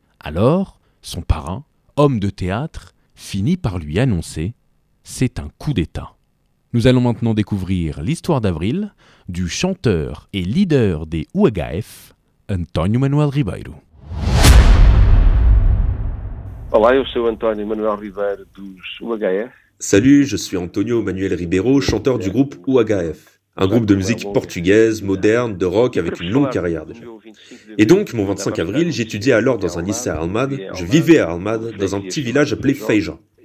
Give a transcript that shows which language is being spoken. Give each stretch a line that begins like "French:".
French: Alors, son parrain, homme de théâtre, finit par lui annoncer « c'est un coup d'État ». Nous allons maintenant découvrir l'histoire d'avril du chanteur et leader des UHF, António Manuel Ribeiro.
Portuguese: Olá, eu sou António Manuel Ribeiro dos UHF.
French: Salut, je suis António Manuel Ribeiro, chanteur du groupe UHF, un groupe de musique portugaise, moderne, de rock, avec une longue carrière déjà. Et donc, mon 25 avril, j'étudiais alors dans un lycée à Almada, je vivais à Almada, dans un petit village appelé Feijão.